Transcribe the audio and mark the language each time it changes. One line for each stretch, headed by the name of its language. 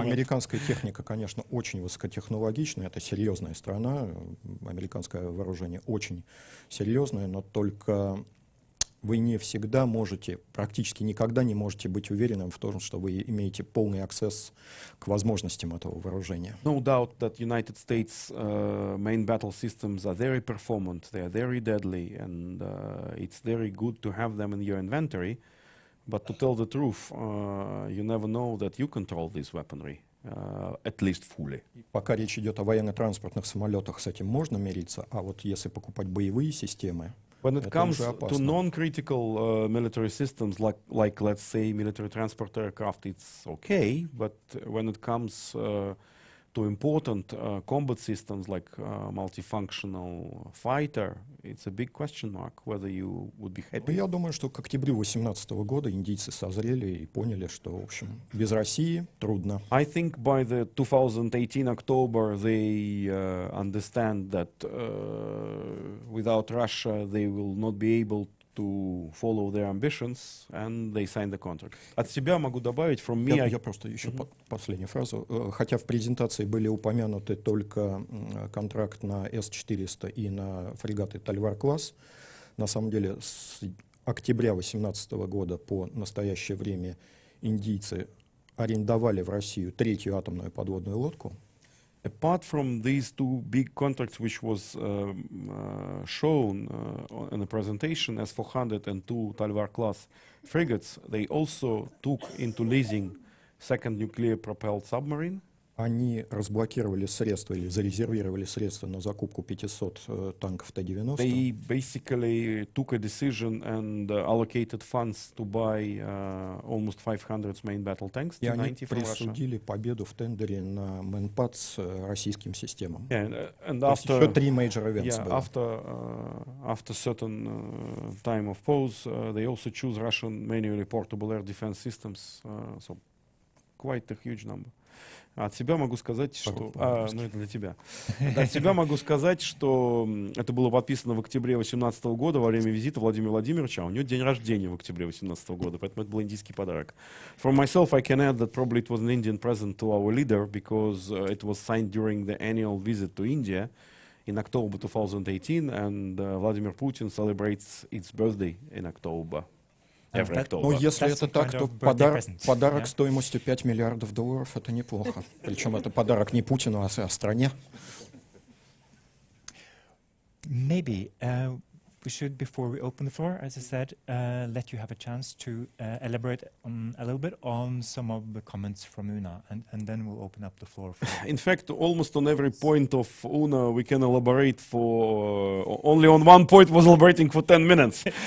Russian: Американская техника, конечно, очень высокотехнологичная, это серьезная страна, американское вооружение очень серьезное, но только вы не всегда можете, практически никогда не можете быть уверенным в том, что вы имеете полный аксесс к возможностям этого вооружения.
English: No doubt that United States main battle systems are very performant, they are very deadly, and it's very good to have them in your inventory. But to tell the truth, you never know that you control this weaponry, at least fully.
Russian: Пока речь идет о военно-транспортных самолетах, с этим можно мириться, а вот если покупать боевые системы,
English: when it comes to non-critical military systems, like let's say military transport aircraft, it's okay. But when it comes to important combat systems, like multifunctional fighter, it's a big question mark whether you would be happy.
Russian: Я думаю, что к октябрю 2018 года индийцы созрели и поняли, что, в общем, без России трудно.
English: I think by the 2018 October, they understand that without Russia, they will not be able to follow their ambitions, and they signed the contract.
Russian: От себя могу добавить,
English: from me...
Russian: Я просто еще последнюю фразу. Хотя в презентации были упомянуты только контракт на С-400 и на фрегаты Тальвар-класс, на самом деле с октября 2018 года по настоящее время индийцы арендовали в Россию третью атомную подводную лодку.
English: Apart from these two big contracts, which was shown in the presentation, S-400 and two Talvar-class frigates, they also took into leasing second nuclear-propelled submarine.
Russian: Они разблокировали средства или зарезервировали средства на закупку 500 танков Т-90.
English: They basically took a decision and allocated funds to buy almost 500 main battle tanks.
Russian: И они присудили победу в тендере на МНПАЦ российским системам.
English: After
Russian: еще три
English: major events. Yeah,
Russian: было.
English: After certain time of pause, they also choose Russian manually portable air defense systems. So quite a huge number.
Russian: От себя могу сказать, что это было подписано в октябре 2018 года во время визита Владимира Владимировича, а у него день рождения в октябре 2018 года, поэтому это был индийский подарок.
English: For myself, I can add that probably it was an Indian present to our leader, because it was signed during the annual visit to India in October 2018, and Владимир Путин celebrates its birthday in October.
Russian: Ну, если это так, то подарок стоимостью 5 миллиардов долларов — это неплохо. Причем это подарок не Путину, а стране.
English: Maybe We should, before we open the floor, as I said, let you have a chance to elaborate on a little bit on some of the comments from Una, and then we'll open up the floor. For in fact, almost on every point of Una, we can elaborate for only on one point was elaborating for 10 minutes.